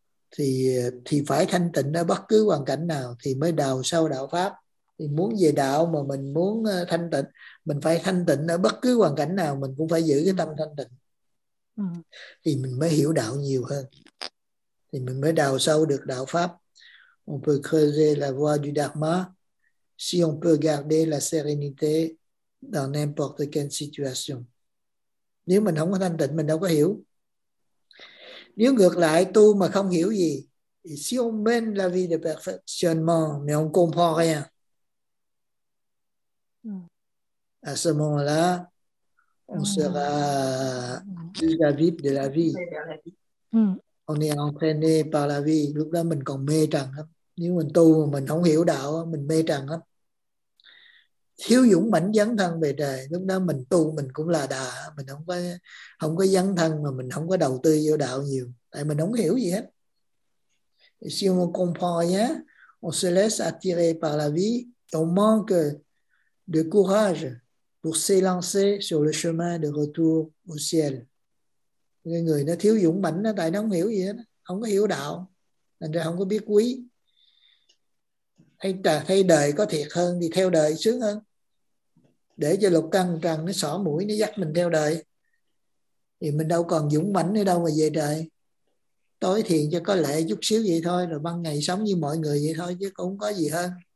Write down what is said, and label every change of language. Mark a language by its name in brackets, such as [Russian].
[Vietnamese] thì phải thanh tịnh ở bất cứ hoàn cảnh nào thì mới đào sâu đạo pháp. Thì muốn về đạo mà mình muốn thanh tịnh, mình phải thanh tịnh ở bất cứ hoàn cảnh nào, mình cũng phải giữ cái tâm thanh tịnh. Thì mình mới hiểu đạo nhiều hơn, thì mình mới đào sâu được đạo pháp. [French] On peut creuser la voie du dharma si on peut garder la sérénité dans n'importe quelle situation. [Vietnamese] Nếu mình không có thanh tịnh, mình đâu có hiểu. Nếu ngược lại tu mà không hiểu gì, [French] si on mène la vie de perfectionnement mais on comprend rien, à ce moment-là, on sera plus avide de la vie. On est entraîné par la vie. [Vietnamese] Lúc đó mình còn mê trần lắm. Nếu mình tu mà mình không hiểu đạo, mình mê trần lắm. Thiếu dũng mãnh dấn thân về trời. Lúc đó mình tu mình cũng là đà. Mình không có dấn thân mà mình không có đầu tư vô đạo nhiều. Tại mình không hiểu gì hết. [French] Si on comprend rien, on se laisse attirer par la vie. On manque de courage pour s'élancer sur le chemin de retour au ciel. [Vietnamese] Người nó thiếu dũng mãnh đó, tại nó không hiểu gì hết, không có hiểu đạo, thành ra không có biết quý. Thấy đời có thiệt hơn thì theo đời sướng hơn. Để cho lục căn trần nó xỏ mũi, nó dắt mình theo đời. Thì mình đâu còn dũng mãnh nữa đâu mà về đời. Tối thiền cho có lệ chút xíu vậy thôi, rồi ban ngày sống như mọi người vậy thôi, chứ cũng không có gì hơn.